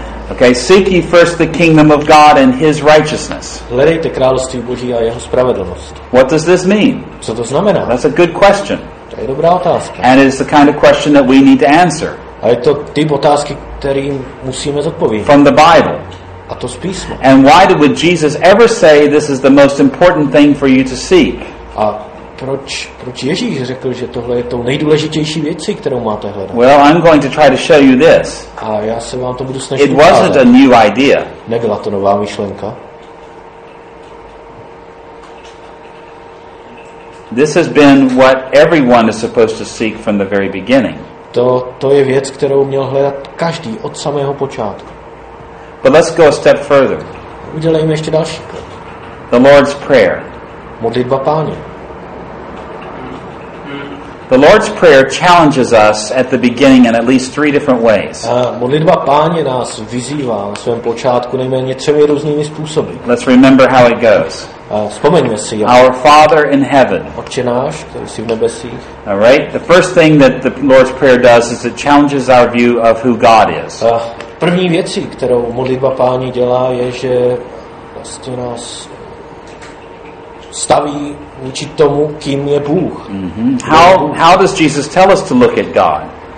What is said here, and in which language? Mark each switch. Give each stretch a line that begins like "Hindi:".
English: Okay, seek ye first the kingdom of God and his righteousness.
Czech: Hledejte království Boží a jeho spravedlnost.
English: What does this mean?
Czech: Co to znamená?
English: That's a good question.
Czech: To je dobrá otázka.
English: And it's the kind of question that we need to answer.
Czech: A je to typ otázky, kterým musíme zodpovědět.
English: From the Bible.
Czech: A to z písma.
English: And why would Jesus ever say this is the most important thing for you to seek?
Czech: A proč Ježíš řekl, že tohle je tou nejdůležitější věcí, kterou máte hledat?
English: Well, I'm going to try to show you this.
Czech: A já se vám to budu snažit ukázat.
English: It wasn't a new idea.
Czech: Nebyla to nová myšlenka.
English: This has been what everyone is supposed to seek from the very beginning.
Czech: To je věc, kterou měl hledat každý od samého počátku.
English: But let's go a step further.
Czech: Udělejme ještě další krok.
English: The Lord's Prayer.
Czech: Modlitba Páně.
English: The Lord's Prayer challenges us at the beginning in at least three different ways.
Czech: Modlitba Páně nás vyzývá na svém počátku nejméně třemi různými způsoby.
English: Let's remember how it goes.
Czech: Vzpomeňme si.
English: Our Father in heaven.
Czech: Otče náš, který jsi v nebesích.
English: All right. The first thing that the Lord's Prayer does is it challenges our view of who God is.
Czech: První věcí, kterou modlitba Páně dělá, je, že vlastně nás staví vůči tomu, kým je Bůh. Mm-hmm.
English: How does Jesus tell us to look at God?